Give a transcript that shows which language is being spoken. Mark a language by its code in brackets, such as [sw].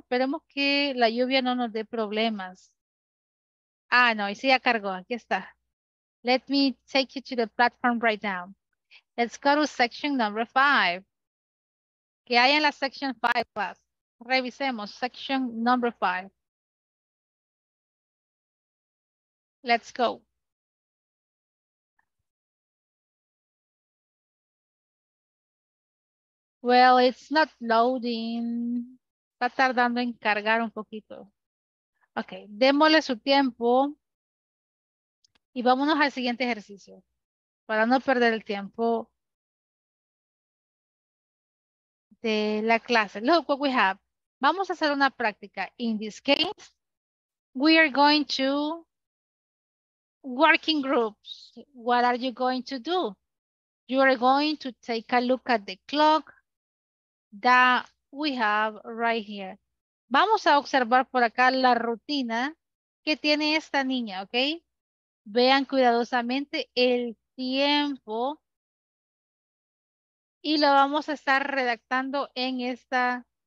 [es] Esperemos que la lluvia no nos dé problemas. Ah, no. Y sí, ya cargó. Aquí está. [en] Let me take you to the platform right now. Let's go to section number 5. [es] ¿Qué hay en la section 5, [en] class? [es] Revisemos [en] section number 5. Let's go. Well, it's not loading. [es] Está tardando en cargar un poquito. Ok, démosle su tiempo. Y vámonos al siguiente ejercicio. Para no perder el tiempo de la clase. [en] Look what we have. [es] Vamos a hacer una práctica. [en] In this case, we are going to work in groups. What are you going to do? You are going to take a look at the clock that we have right here. [es] Vamos a observar por acá la rutina que tiene esta niña, ¿ok? Vean cuidadosamente el tiempo y lo vamos a estar redactando en esta